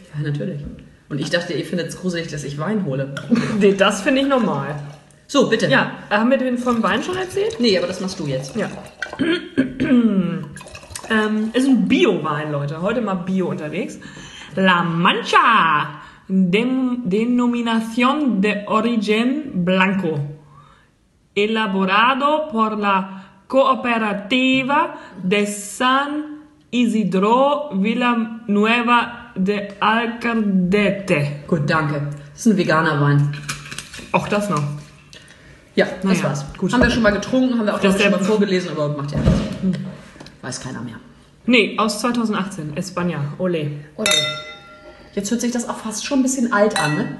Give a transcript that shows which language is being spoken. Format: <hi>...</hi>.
<de>Ja, natürlich. Und ich dachte, ihr findet es gruselig, dass ich Wein hole. Nee, das finde ich normal. So, bitte. Ja, haben wir den vom Wein schon erzählt? Nee, aber das machst du jetzt. Ja. Ist ein Bio-Wein, Leute. Heute mal Bio unterwegs.</de> <es>La Mancha. Denominación de origen blanco. Elaborado por la Cooperativa de San Isidro Villanueva de Alcaldete.</es> <de>Gut, danke. Das ist ein veganer Wein. Auch das noch. Ja, das naja, war's. Gut. Haben wir schon mal getrunken, haben wir auch schon mal vorgelesen, aber macht ja nichts. Weiß keiner mehr. Nee, aus 2018.</de> <es>España. Olé.</es> <de>Olé. Jetzt hört sich das auch fast schon ein bisschen alt an, ne?</de>